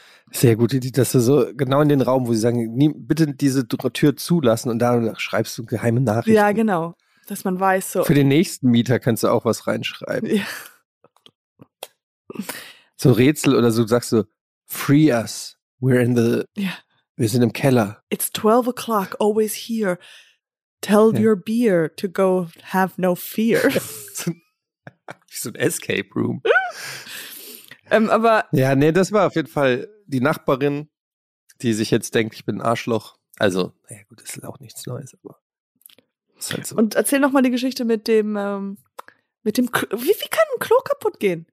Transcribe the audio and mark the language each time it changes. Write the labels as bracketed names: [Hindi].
[German] Sehr gut, dass du so genau in den Raum, wo sie sagen, bitte diese Tür zulassen und da schreibst du geheime Nachrichten. Ja, genau, dass man weiß so. Für den nächsten Mieter kannst du auch was reinschreiben. Ja. So Rätsel oder so, sagst du, [English] free us, [German] wir sind im Keller. [English] It's 12 o'clock, always here, tell your beer to go have no fear. [German] So ein Escape Room. aber ja, nee, das war auf jeden Fall die Nachbarin, die sich jetzt denkt, ich bin ein Arschloch. Also, naja gut, das ist auch nichts Neues, aber ist halt so. Und erzähl nochmal die Geschichte mit dem wie kann ein Klo kaputt gehen?